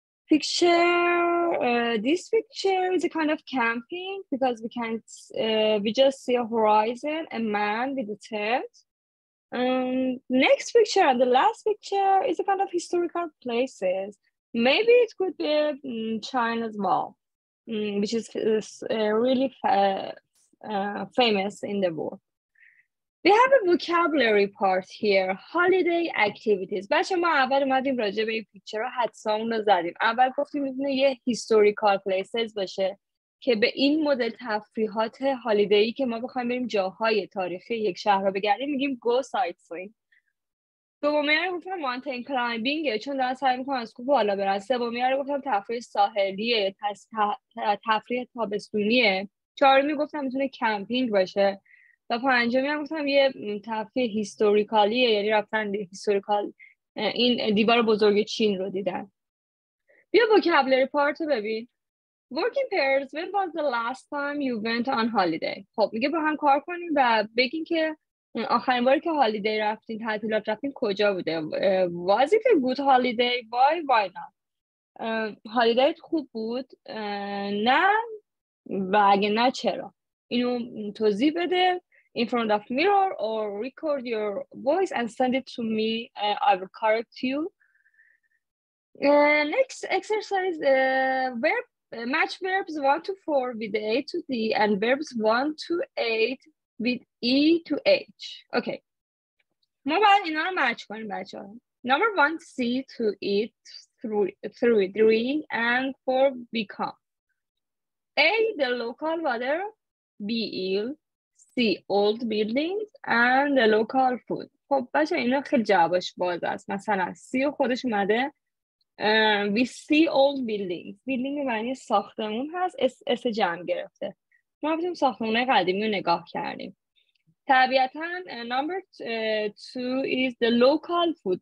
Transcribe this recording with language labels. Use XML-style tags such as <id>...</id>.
<en>This picture is a kind of camping because we can't we just see a horizon, a man with a tent. Next picture and the last picture is a kind of historical places. Maybe it could be China's wall, which is really famous in the world. We have a vocabulary part here. Holiday activities.</en> <fa>بچه ما اول اومدیم راجع به این پیکچر رو حدسامون رو زدیم. اول گفتیم میتونه یه</fa> <en>historical places</en> <fa>باشه که به این مدل تفریحات هالیدی که ما بخوایم بریم جاهای تاریخی یک شهر رو بگردیم میگیم</fa> <en>go sightseeing.</en> <fa>دومی رو گفتم</fa> <en>mountain climbing</en> <fa>چون دارن سعی میکنن از کوه بالا برن. سومی رو گفتم تفریح ساحلیه، تفریح تابستونیه. چهارمی گفتم میتونه کمپینگ باشه و پنجمی هم گفتم یه تفریح هیستوریکالیه، یعنی رفتن هیستوریکال این دیوار بزرگ چین رو دیدن. بیا وکابلری پارت رو ببین.</fa> <en>Working pairs, when was the last time you went on holiday?</en> <fa>خب میگه با هم کار کنیم و بگین که آخرین باری که هالیدی رفتین، تعطیلات رفتین کجا بوده.</fa> <en>Was it a good holiday? Why not?</en> <fa>هالیدی خوب بود؟ نه و اگه نه چرا؟ اینو توضیح بده</fa> <en>in front of mirror or record your voice and send it to me. I will correct you. Next exercise, match verbs 1 to 4 with A to D and verbs 1 to 8 with E to H. Okay.</en> <fa>ما باید اینا رو match کنیم بچه ها.</fa> <en>Number 1, see to eat, three, drink, and 4, become. A, the local weather, B, ill, C, old buildings, and the local food.</en> <fa>خب بچه اینا خیلی جوابش باز است. مثلا C خودش اومده,</fa> <en>we see old buildings.</en> <fa>Building معنی ساختمون هست, S جمع گرفته. ما بودیم ساختمونه قدیمی رو نگاه کردیم. طبیعتا</fa> <en>number two is the local food.</en>